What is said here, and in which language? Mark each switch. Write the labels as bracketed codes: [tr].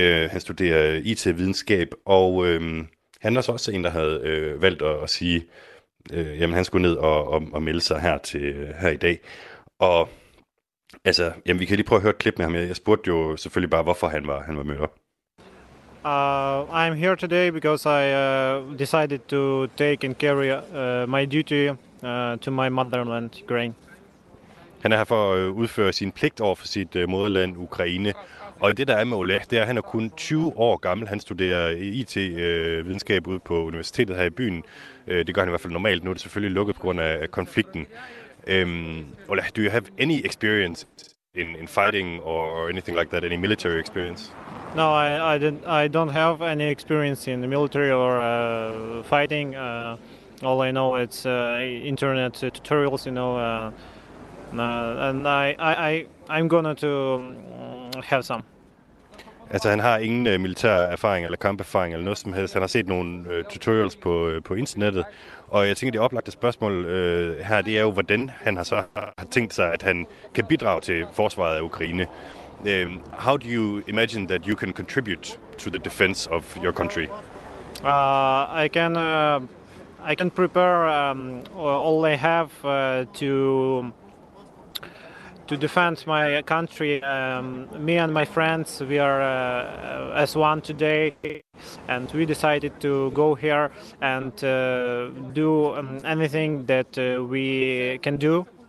[da] Han studerer IT-videnskab, og han er så også en, der havde valgt at sige, jamen han skulle ned og melde sig her i dag. Og altså, jamen vi kan lige prøve at høre et klip med ham. Jeg spurgte jo selvfølgelig bare, hvorfor han var mødt op. [en] I'm here today because I decided to take and carry my duty to my motherland, Ukraine. [da] Han er her for at udføre sin pligt over for sit moderland, Ukraine. Og det, der er med Ola, det er, at han er kun 20 år gammel. Han studerer IT-videnskab ude på universitetet her i byen. Det gør han i hvert fald normalt. Nu er det selvfølgelig lukket på grund af konflikten. [en] Ola, do you have any experience in fighting or anything like that, any military experience? No, I don't have any experience in the military or fighting. All I know it's internet tutorials, you know. And I'm gonna to have some. [da] Altså, han har ingen militær erfaring eller kamperfaring eller noget som helst. Han har set nogle tutorials på internettet. Og jeg tænker, det oplagte spørgsmål her, det er jo, hvordan han har tænkt sig, at han kan bidrage til forsvaret af Ukraine. [en] How do you imagine that you can contribute to the defense of your country? I can prepare all I have to defend my country. Me and my friends, we are as one today, and we decided to go here and do anything that we can do.